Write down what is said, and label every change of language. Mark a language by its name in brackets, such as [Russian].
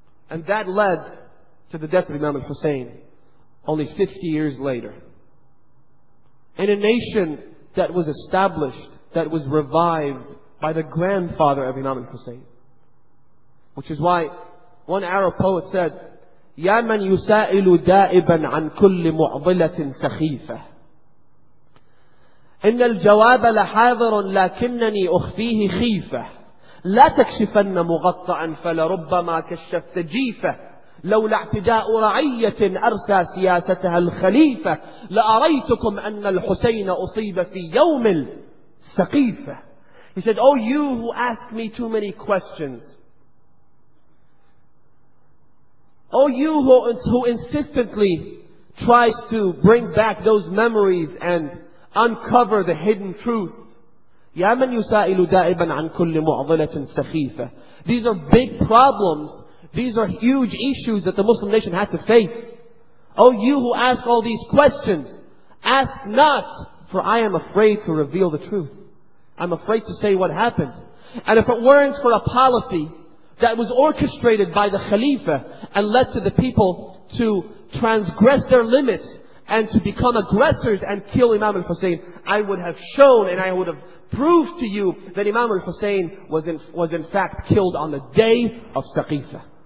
[English] And that led to the death of Imam al-Hussein only 50 years later. In a nation that was established, that was revived by the grandfather of Imam al-Hussein. Which is why one Arab poet said, [Arabic] يَا مَنْ يُسَائِلُ دَائِبًا عَنْ كُلِّ مُعْضِلَةٍ سَخِيفَةٍ إِنَّ الْجَوَابَ لَحَاضِرٌ لَكِنَّنِي أُخْفِيهِ خِيفَةٍ لَا تَكْشِفَنَّ مُغَطَّعًا فَلَرُبَّمَا كَشَّفْتَ جِيفَةٍ لولا اعتداء رعية أرسى سياستها الخليفة لأريتكم أن الحسين أصيب في يوم السقيفة. [English] He said, oh you who ask me too many questions. Oh you who insistently tries to bring back those memories and uncover the hidden truth. [Arabic] يا من يسائل دائبا عن كل معضلة سخيفة. [English] These are big problems. These are huge issues that the Muslim nation had to face. Oh, you who ask all these questions, ask not, for I am afraid to reveal the truth. I'm afraid to say what happened. And if it weren't for a policy that was orchestrated by the Khalifa and led to the people to transgress their limits and to become aggressors and kill Imam al-Hussein, I would have shown and I would have proved to you that Imam al-Hussein was in fact killed on the day of Saqifah.